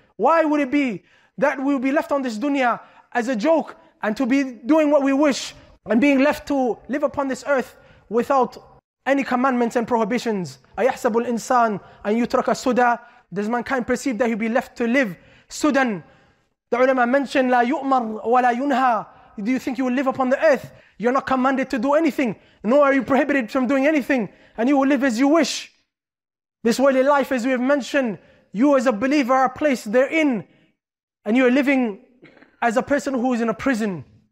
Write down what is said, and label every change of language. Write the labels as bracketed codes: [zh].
[en] Why would it be that we'll be left on this dunya as a joke and to be doing what we wish, and being left to live upon this earth without any commandments and prohibitions? [ar] أَيَحْسَبُ الْإِنسَانِ أَنْ يُتْرَكَ سُدَى. [en] Does mankind perceive that he'll be left to live sudan? The ulama mentioned, [ar] لَا يُؤْمَرْ وَلَا يُنْهَى. [en] Do you think you will live upon the earth? You're not commanded to do anything, nor are you prohibited from doing anything, and you will live as you wish. This worldly life, as we have mentioned, you as a believer are placed therein, and you are living as a person who is in a prison.